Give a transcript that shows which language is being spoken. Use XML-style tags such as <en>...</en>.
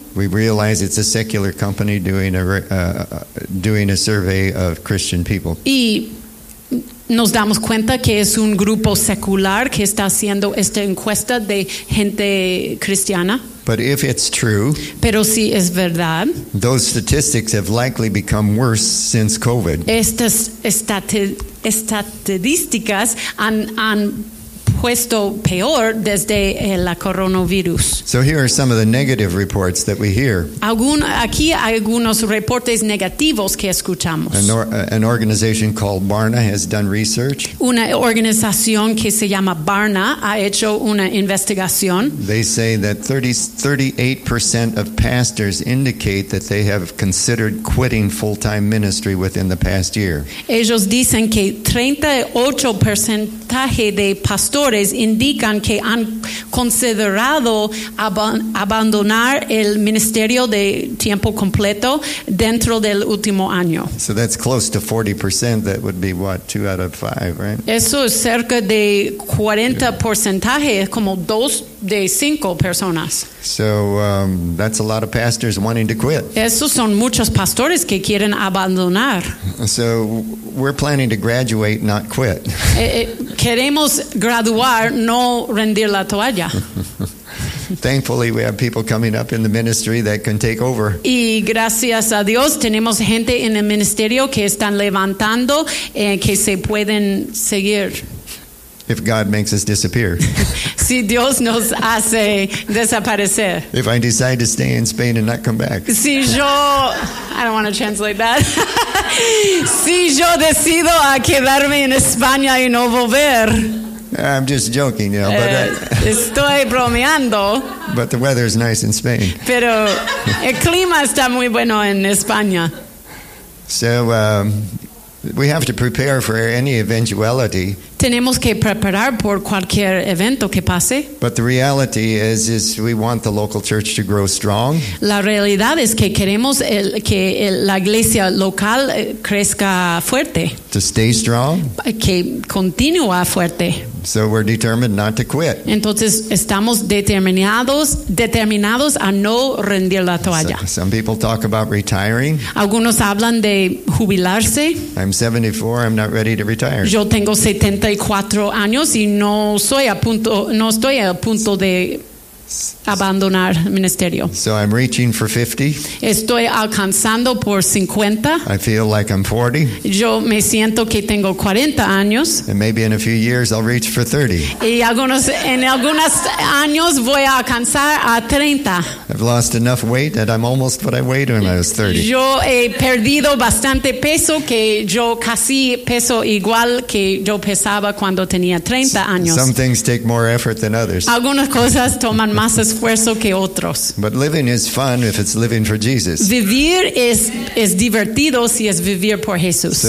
<en>We realize it's a secular company doing a survey of Christian people.</en> <es>Y nos damos cuenta que es un grupo secular que está haciendo esta encuesta de gente cristiana.</es> <en>But if it's true,</en> <es>pero si es verdad,</es> <en>those statistics have likely become worse since COVID.</en> <es>Estas estadísticas han puesto peor desde la coronavirus.</es> <en>So here are some of the negative reports that we hear.</en> <es>Aquí hay algunos reportes negativos que escuchamos.</es> <en>An organization called Barna has done research.</en> <es>Una organización que se llama Barna ha hecho una investigación.</es> <en>They say that 38% of pastors indicate that they have considered quitting full-time ministry within the past year.</en> <es>Ellos dicen que 38% de pastores indican que han considerado abandonar el ministerio de tiempo completo dentro del último año.</es> <en>So that's close to 40%. That would be what, 2 out of 5, right?</en> <es>Eso es cerca de 40%, como 2 de 5 personas.</es> <en>So that's a lot of pastors wanting to quit.</en> <es>Esos son muchos pastores que quieren abandonar.</es> <en>So we're planning to graduate, not quit.</en> <es>Queremos graduar, no rendir la toalla.</es> <en>Thankfully, we have people coming up in the ministry that can take over.</en> <es>Y gracias a Dios, tenemos gente en el ministerio que están levantando que se pueden seguir.</es> <en>If God makes us disappear.</en> <es>Si Dios nos hace desaparecer.</es> <en>If I decide to stay in Spain and not come back.</en> <es>Si yo,</es> <en>I don't want to translate that.</en> <es>Si yo decido a quedarme en España y no volver.</es> <en>I'm just joking, you know. But</en> <es>estoy bromeando.</es> <en>But the weather is nice in Spain.</en> <es>Pero el clima está muy bueno en España.</es> <en>So we have to prepare for any eventuality.</en> <es>Tenemos que preparar por cualquier evento que pase.</es> <en>But the reality is we want the local church to grow strong.</en> <es>La realidad es que queremos la iglesia local crezca fuerte.</es> <en>To stay strong.</en> <es>Que continúa fuerte.</es> <en>So we're determined not to quit.</en> <es>Entonces estamos determinados a no rendir la toalla.</es> <en>Some people talk about retiring.</en> <es>Algunos hablan de jubilarse.</es> <en>I'm 74, I'm not ready to retire.</en> <es>Yo tengo 74 años y no estoy a punto de abandonar el ministerio.</es> <en>So I'm reaching for 50.</en> <es>Estoy alcanzando por 50.</es> <en>I feel like I'm 40.</en> <es>Yo me siento que tengo 40 años.</es> <en>And maybe in a few years I'll reach for 30.</en> <es>Y en algunos años voy a alcanzar a 30.</es> <en>I've lost enough weight that I'm almost what I weighed when I was 30.</en> <es>Yo he perdido bastante peso que yo casi peso igual que yo pesaba cuando tenía 30 años.</es> <en>Some things take more effort than others.</en> <es>Algunas cosas toman más esfuerzo que otros.</es> <en>But living is fun if it's living for Jesus.</en> <es>Vivir es divertido si es vivir por Jesús.</es>